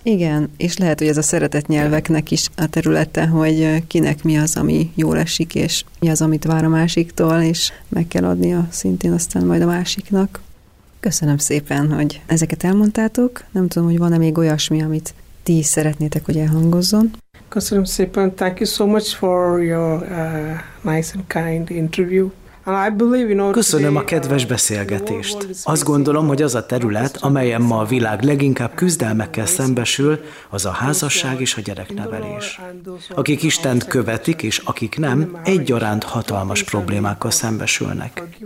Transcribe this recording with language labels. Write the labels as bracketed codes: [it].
[hu] Igen, és lehet, hogy ez a szeretett nyelveknek is a területe, hogy kinek mi az, ami jól esik, és mi az, amit vár a másiktól, és meg kell adni a szintén aztán majd a másiknak. Köszönöm szépen, hogy ezeket elmondtátok. Nem tudom, hogy van-e még olyasmi, amit ti is szeretnétek, hogy elhangozzon. Köszönöm szépen. [en] Thank you so much for your nice and kind interview. [hu] Köszönöm a kedves beszélgetést. Azt gondolom, hogy az a terület, amelyen ma a világ leginkább küzdelmekkel szembesül, az a házasság és a gyereknevelés. Akik Istent követik, és akik nem, egyaránt hatalmas problémákkal szembesülnek.